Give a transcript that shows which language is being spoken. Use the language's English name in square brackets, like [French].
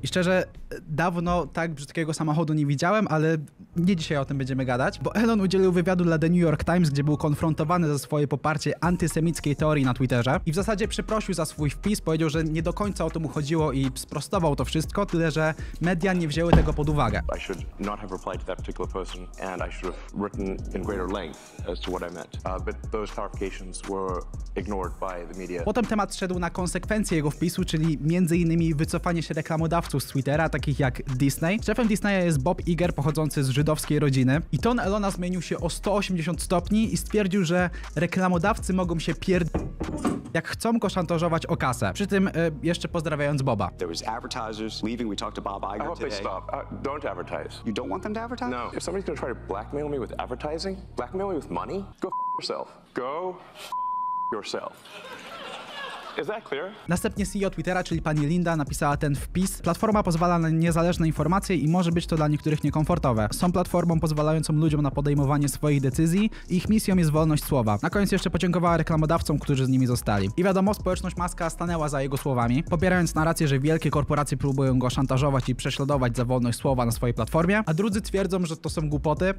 [Polish] I szczerze, dawno tak brzydkiego samochodu nie widziałem, ale nie dzisiaj o tym będziemy gadać, bo Elon udzielił wywiadu dla The New York Times, gdzie był konfrontowany za swoje poparcie antysemickiej teorii na Twitterze. I w zasadzie przeprosił za swój wpis, powiedział, że nie do końca o to mu chodziło i sprostował to wszystko, tyle że media nie wzięły tego pod uwagę. [English] I should not have replied to that particular person and I should have written in greater length as to what I meant. But those clarifications were ignored by the media. [Polish] Potem temat szedł na konsekwencje jego wpisu, czyli m.in. wycofanie się reklamodawców z Twittera, takich jak Disney. Szefem Disneya jest Bob Iger, pochodzący z żydowskiej rodziny. I ton Elona zmienił się o 180 stopni i stwierdził, że reklamodawcy mogą się jak chcą go szantażować o kasę. Przy tym jeszcze pozdrawiając Boba. [English] There was advertisers leaving. We talked to Bob Iger today. I hope they stop. Don't advertise. You don't want them to advertise? No. If somebody's gonna try to blackmail me with advertising, blackmail me with money? Go f*** yourself. Go f*** yourself. Is that clear? [Polish] Następnie CEO Twittera, czyli pani Linda, napisała ten wpis. Platforma pozwala na niezależne informacje i może być to dla niektórych niekomfortowe. Są platformą pozwalającą ludziom na podejmowanie swoich decyzji i ich misją jest wolność słowa. Na koniec jeszcze podziękowała reklamodawcom, którzy z nimi zostali. I wiadomo, społeczność Muska stanęła za jego słowami, popierając narrację, że wielkie korporacje próbują go szantażować i prześladować za wolność słowa na swojej platformie, a drudzy twierdzą, że to są głupoty.